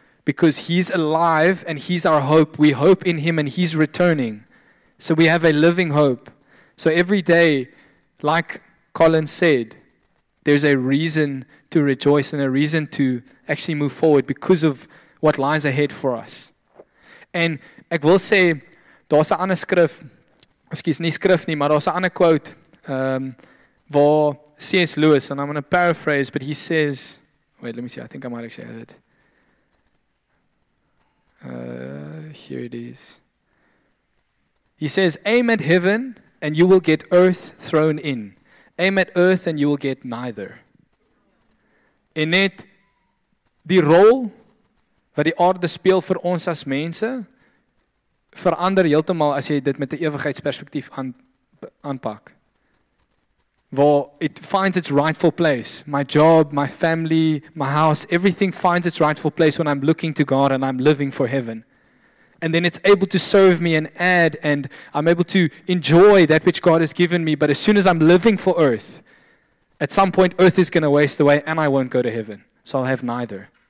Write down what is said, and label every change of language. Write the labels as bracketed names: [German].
[English] Because He's alive and He's our hope. We hope in Him and He's returning. So we have a living hope. So every day, like Colin said, there's a reason to rejoice and a reason to actually move forward because of what lies ahead for us. [Afrikaans] And ek wil sê, daar's 'n ander skrif, excuse, nie skrif nie, maar daar's 'n ander quote, waar C.S. [English] Lewis, and I'm going to paraphrase, but he says, wait, let me see, I think I might actually have it. Here it is. He says, aim at heaven and you will get earth thrown in. Aim at earth and you will get neither. [Afrikaans] En net die rol wat die aarde speel vir ons as mense verander heeltemal as jy dit met 'n ewigheidsperspektief aanpak. Waar [English] it finds its rightful place. My job, my family, my house, everything finds its rightful place when I'm looking to God and I'm living for heaven. And then it's able to serve me and add, and I'm able to enjoy that which God has given me. But as soon as I'm living for earth, at some point earth is going to waste away and I won't go to heaven. So I'll have neither.